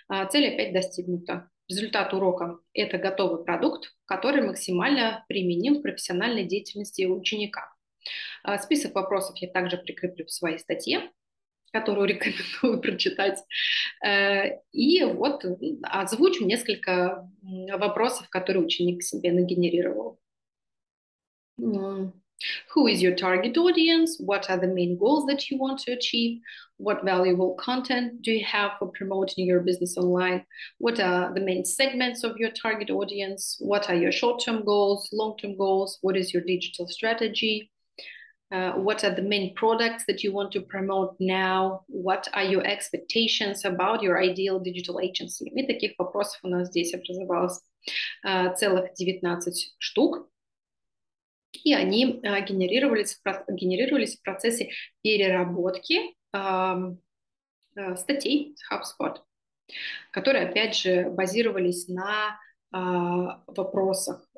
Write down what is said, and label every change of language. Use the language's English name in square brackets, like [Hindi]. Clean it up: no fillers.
[Russian] Цель опять достигнута. Результат урока – это готовый продукт, который максимально применим в профессиональной деятельности ученика. Список вопросов я также прикреплю в своей статье, которую рекомендую прочитать. И вот озвучу несколько вопросов, которые ученик себе нагенерировал. [English] Who is your target audience? What are the main goals that you want to achieve? What valuable content do you have for promoting your business online? What are the main segments of your target audience? What are your short-term goals, long-term goals? What is your digital strategy? What are the main products that you want to promote now? What are your expectations about your ideal digital agency? [Russian] И таких вопросов у нас здесь образовалось целых 19 штук. И они генерировались в процессе переработки статей HubSpot, которые, опять же, базировались на вопросах.